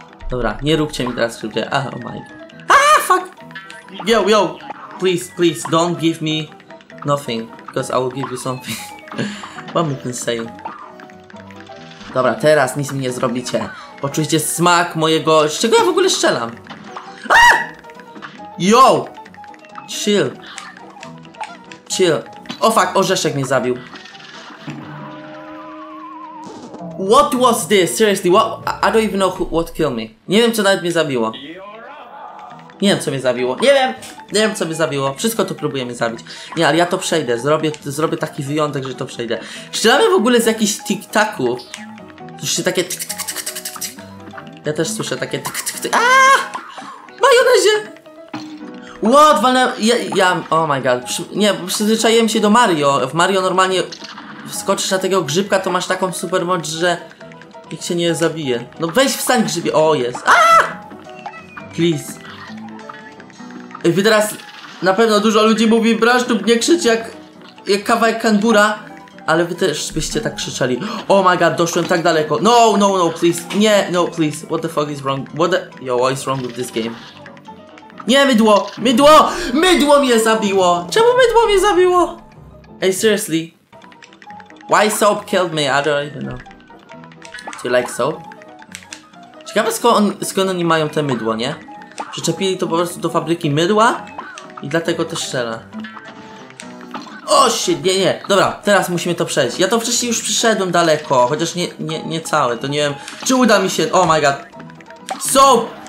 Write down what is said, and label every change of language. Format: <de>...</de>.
<pl>Dobra, nie róbcie mi teraz krzywdę.</pl> <en>Ah, oh my god. Ah, fuck! Yo, yo, please, please, don't give me nothing, because I will give you something. What am I gonna say?</en> <pl>Dobra, teraz nic mi nie zrobicie. Poczujcie smak mojego... Z czego ja w ogóle strzelam?</pl> <en>Ah! Yo! Chill. Chill.</en> <pl>O, fuck, orzeszek mnie zabił.</pl> <en>What was this? Seriously, what? I don't even know who, what killed me.</en> <pl>Nie wiem, co nawet mnie zabiło. Nie wiem, co mnie zabiło. Nie wiem! Nie wiem, co mnie zabiło. Wszystko to próbuje mnie zabić. Nie, ale ja to przejdę. Zrobię taki wyjątek, że to przejdę. Strzelamy w ogóle z jakichś tiktaku. Słyszycie takie tk, tk, tk, tk, tk, tk. Ja też słyszę takie tk, tk, tk.</pl> <en>Aaaa! Majonezie! What? Ja... Oh my god.</en> <pl>Nie, przyzwyczaiłem się do Mario. W Mario normalnie wskoczysz na tego grzybka, to masz taką super moc, że... Nikt się nie zabije. No weź wstań, grzybie. O, jest. Aaaa! Please. Wy teraz... Na pewno dużo ludzi mówi, Brasztu, nie krzycz jak kawałek kangura. Ale wy też byście tak krzyczeli.</pl> <en>Oh my god,</en> <pl>doszłem tak daleko.</pl> <en>No, no, no, please. Nie, no, please. What the fuck is wrong? What the... Yo, what is wrong with this game?</en> <pl>Nie, mydło! Mydło! Mydło mnie zabiło! Czemu mydło mnie zabiło?</pl> <en>Hey, seriously? Why soap killed me? I don't even know. Do you like soap?</en> <pl>Ciekawe, skąd oni mają te mydło, nie? Przyczepili to po prostu do fabryki mydła i dlatego też strzela. O, shit, nie, nie. Dobra, teraz musimy to przejść. Ja to wcześniej już przyszedłem daleko, chociaż nie całe, to nie wiem, czy uda mi się.</pl> <en>Oh my god. Soap!</en>